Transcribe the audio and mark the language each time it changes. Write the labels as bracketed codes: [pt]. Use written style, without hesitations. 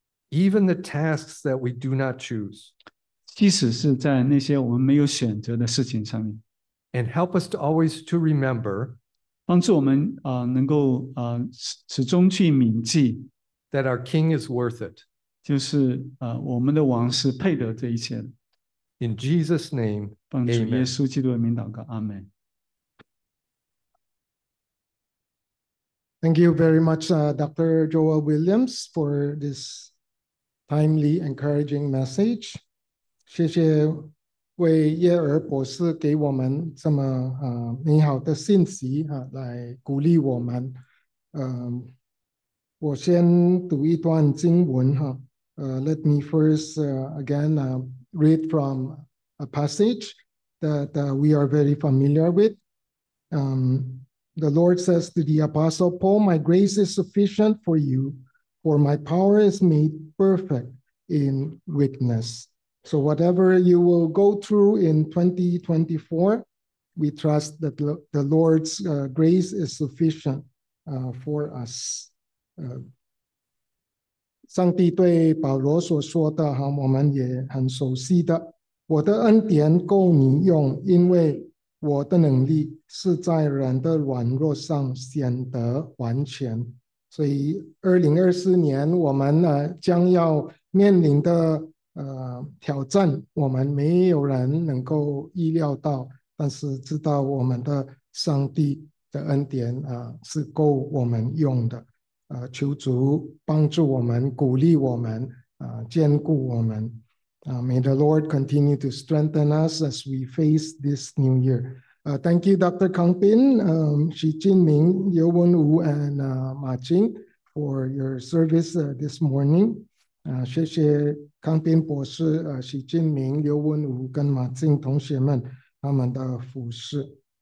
[en] Even the tasks that we do not choose. [zh] 即使是在那些我们没有选择的事情上面。 [en] And help us to always to remember. [zh] 帮助我们能够始终去铭记。 [en] That our King is worth it. [zh] 就是我们的王是配得这一切的。 [en] In Jesus' name, amen. [zh] 帮助耶稣基督的名祷告，阿们。 [en] Thank you very much, Dr. Joel Williams, for this timely, encouraging message. [zh] 谢谢为耶尔博士给我们这么美好的信息来鼓励我们。我先读一段经文 [en] let me first read from a passage that we are very familiar with. The Lord says to the Apostle Paul, My grace is sufficient for you, for my power is made perfect in weakness. So whatever you will go through in 2024, we trust that the Lord's grace is sufficient for us. [zh] 上帝对保罗所说的，我们也很熟悉的，我的恩典够你用，因为我的能力是在人的软弱上显得完全。所以2024年我们将要面临的挑战，我们没有人能够预料到，但是知道我们的上帝的恩典是够我们用的。求主帮助我们，鼓励我们，坚固我们。 [en] May the Lord continue to strengthen us as we face this new year. Thank you, Dr. Kang Pin, Xi Jinming, Liu Wenwu, and Ma Jing for your service this morning. [zh] 谢谢 Kang Pin 博士、Xi Jinming, Liu Wenwu 跟 Ma Jing 同学们他们的服侍。